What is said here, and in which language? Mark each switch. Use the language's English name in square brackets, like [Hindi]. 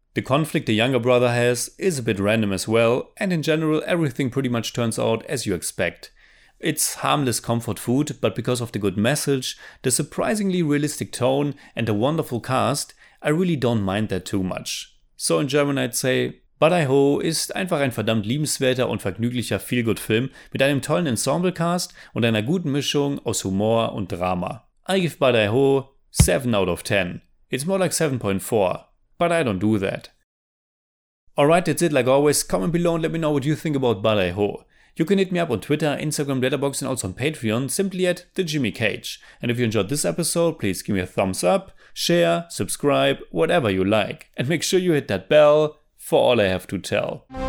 [English] The conflict the younger brother has is a bit random as well, and in general everything pretty much turns out as you expect. It's harmless comfort food, but because of the good message, the surprisingly realistic tone and the wonderful cast, I really don't mind that too much. So in German I'd say, [German] Badhaai ist einfach ein verdammt liebenswerter und vergnüglicher Feelgood-Film mit einem tollen Ensemble-Cast und einer guten Mischung aus Humor und Drama. [English] I give Badhaai 7 out of 10. It's more like 7.4, but I don't do that. Alright, that's it. Like always, comment below and let me know what you think about Badhaai. You can hit me up on Twitter, Instagram, Letterboxd and also on Patreon, simply at The Jimmy Cage. And if you enjoyed this episode, please give me a thumbs up, share, subscribe, whatever you like. And make sure you hit that bell for all I have to tell.